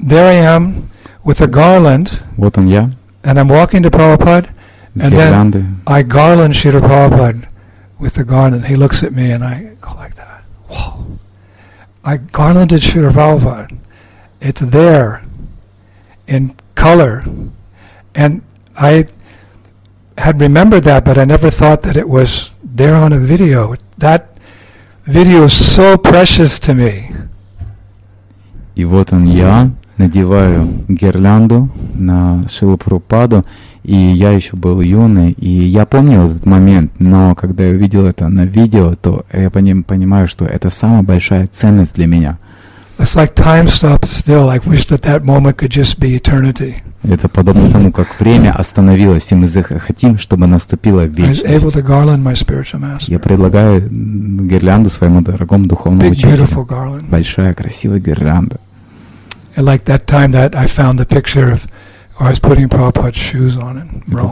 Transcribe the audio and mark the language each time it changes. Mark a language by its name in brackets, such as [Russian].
[English] There I am with a garland. [Russian] Вот он я. [English] And I'm walking to Prabhupada. And then I garland Srila Prabhupada with the garland. He looks at me and I go like that. Wow. I garlanded Srila Prabhupada. It's there in color. And I had remembered that, but I never thought that it was there on a video. That video is so precious to me. [Russian] И вот он я, надеваю гирлянду на Шрилу Прабхупаду, и я еще был юный, и я помню этот момент, но когда я увидел это на видео, то я понимаю, что это самая большая ценность для меня. [English] It's like time stops still. I wish that moment could just be eternity. [Russian] Это подобно тому, как время остановилось, и мы хотим, чтобы наступила вечность. Я предлагаю гирлянду своему дорогому духовному учителю. Большая, красивая гирлянда. Это